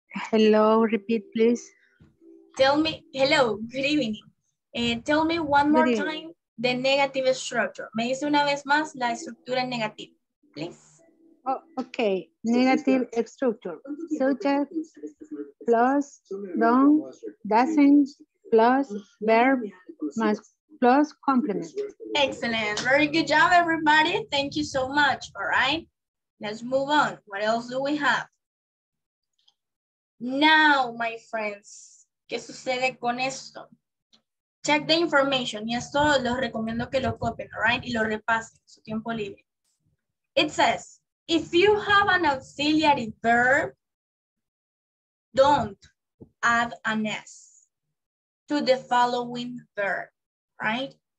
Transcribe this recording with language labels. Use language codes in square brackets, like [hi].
[en] Hello, repeat, please. Tell me, hello, good evening. Tell me one more time the negative structure. [es] Me dice una vez más la estructura negativa, please. [en] Oh, okay, negative structure. Subject plus don't, doesn't plus verb must plus complement. Excellent. Very good job, everybody. Thank you so much. All right. Let's move on. What else do we have? Now, my friends, [es] ¿qué sucede con esto? [en] Check the information. [es] Y esto los recomiendo que lo copien, all right? Y lo repasen su tiempo libre. [en] It says, if you have an auxiliary verb, don't add an S to the following verb, right?